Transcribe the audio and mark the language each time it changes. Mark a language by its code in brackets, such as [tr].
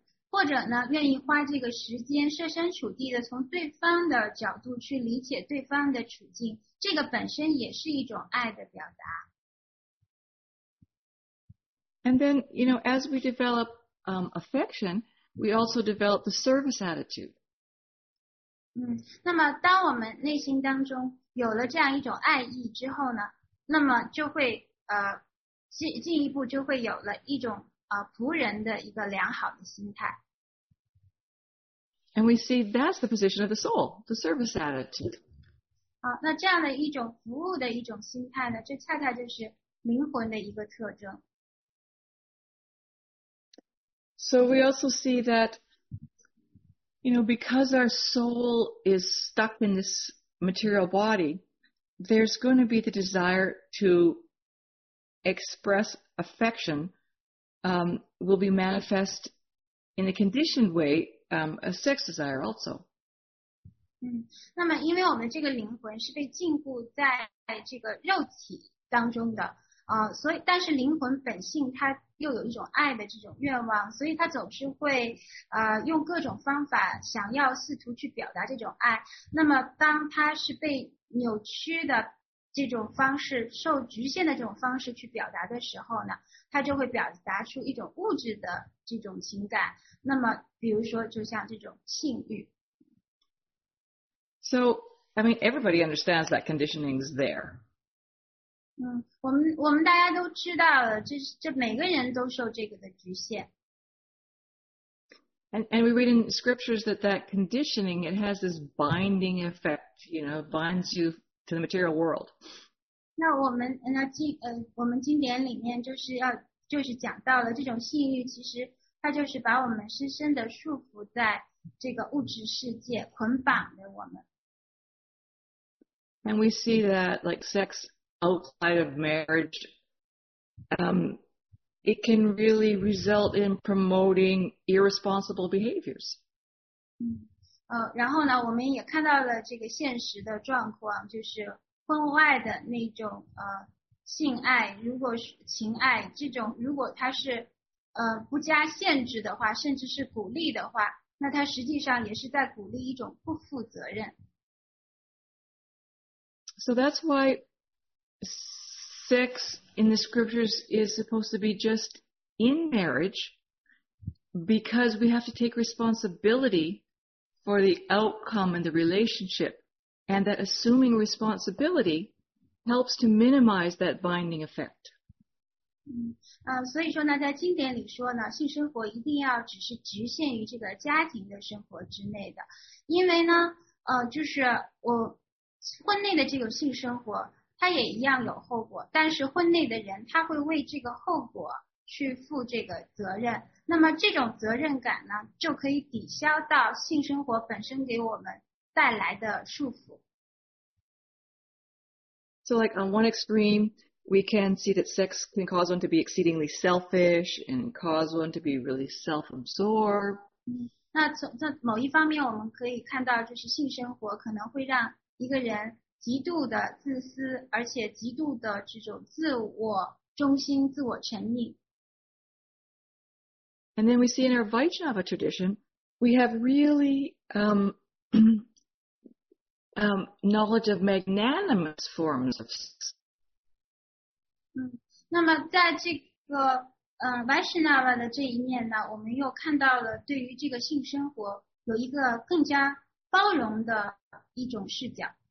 [zh] 或者呢，愿意花这个时间设身处地的从对方的角度去理解对方的处境，这个本身也是一种爱的表达。 [en] And then, you know, as we develop affection, we also develop the service attitude. [zh] 那么当我们内心当中有了这样一种爱意之后呢，那么就会进一步就会有了一种仆人的一个良好的心态。 [en] And we see that's the position of the soul, the service attitude. [zh] 那这样的一种服务的一种心态呢，这恰恰就是灵魂的一个特征。 [en] So we also see that, you know, because our soul is stuck in this material body, there's going to be the desire to express affection will be manifest in a conditioned way, a sex desire also. [zh] 那么因为我们这个灵魂是被禁锢在这个肉体当中的，所以但是灵魂本性它又有一种爱的这种愿望，所以他总是会用各种方法想要试图去表达这种爱。那么当他是被扭曲的这种方式，受局限的这种方式去表达的时候呢，他就会表达出一种物质的这种情感，那么比如说就像这种性欲。 [en] So I mean everybody understands that conditioning is there. [zh] 我们大家都知道了，这每个人都受这个的局限。 [en] And we read in scriptures that conditioning, it has this binding effect, you know, binds you to the material world. [zh] 那我们经典里面就是讲到了这种性欲，其实它就是把我们深深的束缚在这个物质世界，捆绑着我们。 [en] And we see that like sex outside of marriage, it can really result in promoting irresponsible behaviors. [zh] 然后呢，我们也看到了这个现实的状况，就是婚外的那种性爱，如果是情爱这种，如果它是不加限制的话，甚至是鼓励的话，那他实际上也是在鼓励一种不负责任。 [en] So that's why sex in the scriptures is supposed to be just in marriage, because we have to take responsibility for the outcome and the relationship, and that assuming responsibility helps to minimize that binding effect. [zh] 所以说呢，在经典里说呢，性生活一定要只是局限于这个家庭的生活之内的，因为呢，就是我。婚内的这个性生活它也一样有后果，但是婚内的人他会为这个后果去负这个责任，那么这种责任感呢就可以抵消到性生活本身给我们带来的束缚。 [en] So like on one extreme we can see that sex can cause one to be exceedingly selfish and cause one to be really self-absorbed、 [zh] 那从某一方面我们可以看到，就是性生活可能会让一个人极度的自私，而且极度的这种自我中心、自我沉溺。 [en] And then we see in our Vaishnava tradition, we have really knowledge of magnanimous forms of sex. [zh] 那么在这个Vaishnava 的这一面呢，我们又看到了对于这个性生活有一个更加包容的一种视角。